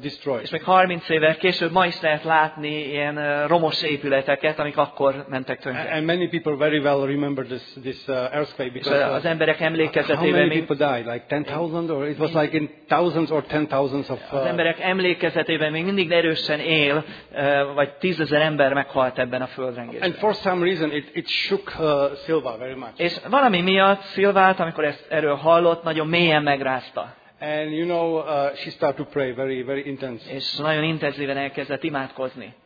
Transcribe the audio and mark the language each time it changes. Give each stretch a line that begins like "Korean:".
Hungarian: És még 30 évvel később ma is lehet látni ilyen romos épületeket, amik akkor mentek tönkre.
English: And many people very well remember this earthquake because
Hungarian: az emberek emlékezetében
English: how many people died? Like 10,000 or it was like in thousands or 10,000 of
Hungarian: az emberek emlékezetében még mindig erősen él, vagy 10,000 ember meghalt ebben a földrengésben.
English: And for some reason it shook Silva very much.
Hungarian: És valami miatt Silvát, amikor ezt erről hallott, nagyon mélyen megrázta.
English: And you know, she started to pray very intense.
Hungarian: És nagyon intenzíven elkezdett imádkozni.